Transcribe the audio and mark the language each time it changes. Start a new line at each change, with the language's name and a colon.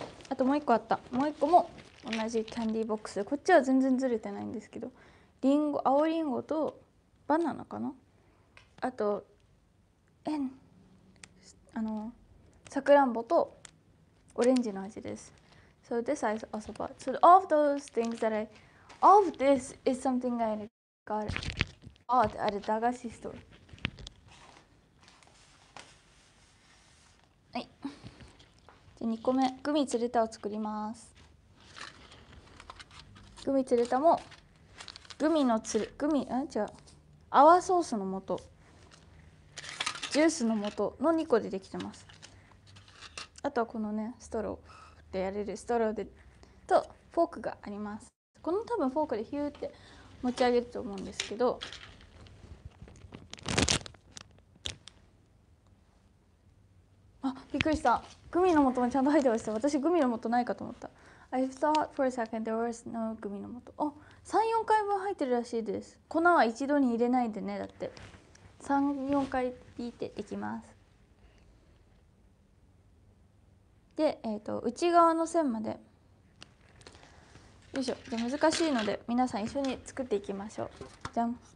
Japanese: あともう一個あった。もう一個も同じキャンディーボックス、こっちは全然ずれてないんですけど、リンゴ、青リンゴとバナナかな、あとえんあのさくらんぼとオレンジの味です。
English: So this is also part. So all of those things that I all of this is something I got at a 駄菓子 store。
Japanese: はい、じゃ2個目、グミツルタを作ります。グミツルタもグミのつる、グミ、あ、違う、泡ソースの素、ジュースの素の2個でできてます。あとはこのねストローでやれるストローでとフォークがあります。この多分フォークでヒューって持ち上げると思うんですけど、あ、びっくりした、グミの素もちゃんと入ってました。私グミの素ないかと思った。
English: I thought for a second there was no グミの素。
Japanese: あ、3、4回分入ってるらしいです。粉は一度に入れないでね、だって3、4回引いていきます。で、内側の線までよいしょ。じゃ難しいので皆さん一緒に作っていきましょう。じゃん。